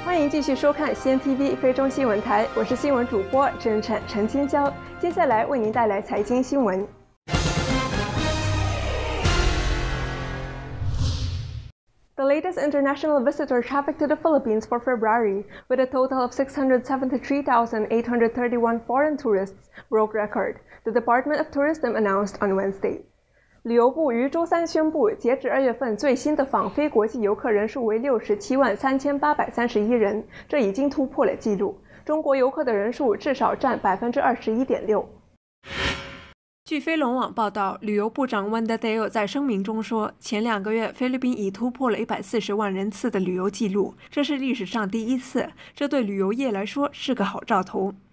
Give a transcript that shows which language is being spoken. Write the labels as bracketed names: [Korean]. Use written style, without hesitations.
[Chinese] 继续收看 Cntv 菲中新闻台，我是新闻主播甄晨陈青娇，接下来为您带来财经新闻。 [English] The latest international visitor traffic to the Philippines for February, with a total of 673,831 foreign tourists, broke record, the Department of Tourism announced on Wednesday. [Chinese] 旅游部于周三宣布，截止二月份最新的访菲国际游客人数为673,831人，这已经突破了记录。中国游客的人数至少占 21.6%。据菲龙网报道，旅游部长 Wendadeo 在声明中说，前两个月菲律宾已突破了140万人次的旅游记录，这是历史上第一次，这对旅游业来说是个好兆头。